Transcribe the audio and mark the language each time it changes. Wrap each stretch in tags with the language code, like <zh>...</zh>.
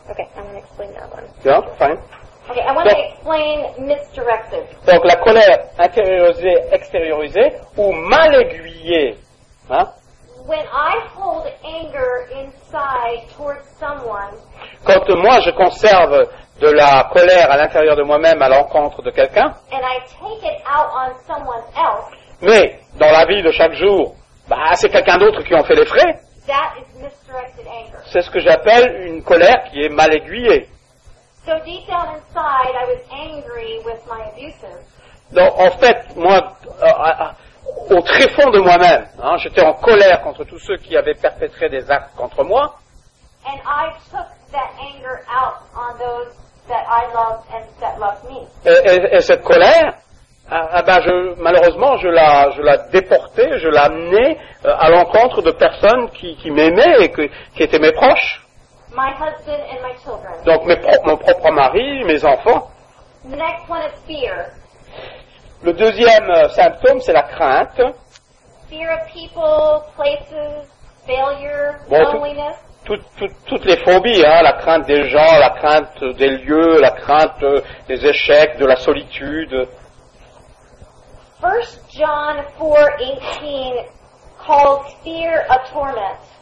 <en>Okay, I'm going to explain that one. Yeah, fine. Okay, I want to explain misdirected.</en> <fr>Donc, la colère intériorisée, extériorisée, ou mal aiguillée. Hein?</fr> <en>When I hold anger inside towards someone,</en> <fr>quand moi je conserve de la colère à l'intérieur de moi-même à l'encontre de quelqu'un,</fr> <en>and I take it out on someone else,</en> <fr>mais dans la vie de chaque jour, c'est quelqu'un d'autre qui en fait les frais.</fr> <en>That is misdirected anger.</en> <fr>C'est ce que j'appelle une colère qui est mal aiguillée.</fr> <en>So deep down inside, I was angry with my abuses.</en> <fr>Donc, en fait, moi, au très fond de moi-même, hein, j'étais en colère contre tous ceux qui avaient perpétré des actes contre moi.</fr> <en>And I took that anger out on those that I loved and that loved me.</en> <fr>Et cette colère, Malheureusement, je la déportais, je l'ai amenée à l'encontre de personnes qui m'aimaient et qui étaient mes proches.</fr> <en>My husband and my children.</en> <fr>Donc mon propre mari, mes enfants.</fr> <en>The next one is fear.</en> <fr>Le deuxième symptôme, c'est la crainte.</fr> <en>Fear of people, places, failure, bon, loneliness.</en> <fr>Toutes les phobies, hein, la crainte des gens, la crainte des lieux, la crainte des échecs, de la solitude.</fr> <en>1 John 4:18 called fear a torment.</en>